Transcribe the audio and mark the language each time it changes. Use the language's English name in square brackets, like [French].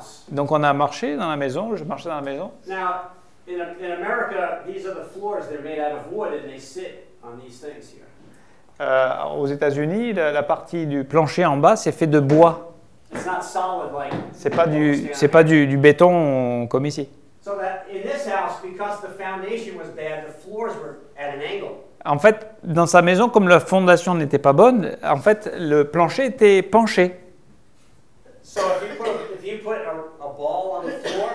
[French] Donc on a marché dans la maison, je marchais dans la maison. [English] In America, these are the floors. They're made out of wood, and they sit on these things here. [French] Aux États-Unis, la partie du plancher en bas, c'est fait de bois. [English] It's not solid like. [French] C'est pas du béton comme ici. [English] So that in this house, because the foundation was bad, the floors were at an angle. [French] En fait, dans sa maison, comme la fondation n'était pas bonne, en fait, le plancher était penché. [English] So if you put a ball on the floor.